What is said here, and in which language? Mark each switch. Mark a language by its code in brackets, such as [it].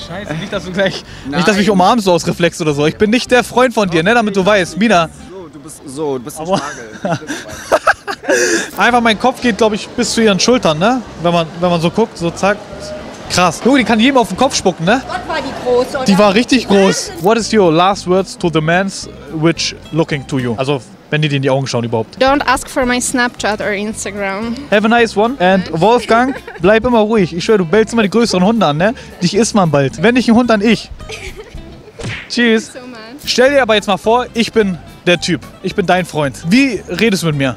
[de] Scheiße, nicht, dass du gleich, nicht, dass du mich umarmst so aus Reflex oder so. Ich bin nicht der Freund von dir, ne, damit du weißt. Mina. Du bist ein Spargel. Einfach mein Kopf geht, glaube ich, bis zu ihren Schultern, ne? Wenn man so guckt, so zack. Krass. Du, die kann jedem auf den Kopf spucken, ne? Gott, war die groß, oder? Die war richtig groß. [en] What is your last words to the man's which looking to you? [de] Also, wenn die dir in die Augen schauen überhaupt. [en] Don't ask for my Snapchat or Instagram. Have a nice one. [de] And Wolfgang, bleib immer ruhig. Ich schwöre, du bellst immer die größeren Hunde an, ne? Dich isst man bald. Wenn nicht ein Hund, dann ich. Tschüss. [en] Thank you so much. [de] Stell dir aber jetzt mal vor, ich bin der Typ. Ich bin dein Freund. Wie redest du mit mir?